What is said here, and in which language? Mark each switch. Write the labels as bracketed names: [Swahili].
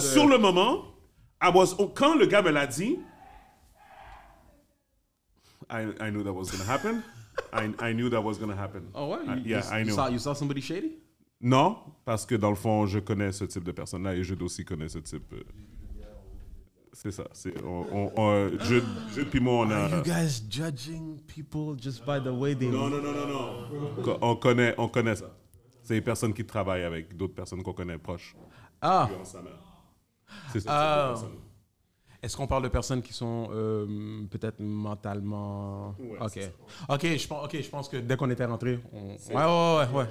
[French] Sur le moment, quand le gars me l'a dit... [English] I knew that was going to happen. I knew that was going to happen. [French] Oh, ouais? [English] I knew. You saw somebody shady? [French] Non, parce que dans le fond, je connais ce type de personne-là et Jude aussi connaît ce type. C'est ça. C'est, Jude puis moi, on a... [English] Are you guys judging people just by the way they... [French] Non. On connaît ça. C'est les personnes qui travaillent avec d'autres personnes qu'on connaît proches. Ah! C'est ça. Est-ce qu'on parle de personnes qui sont peut-être mentalement... Ouais, OK. OK, je pense que dès qu'on était rentré, Ouais.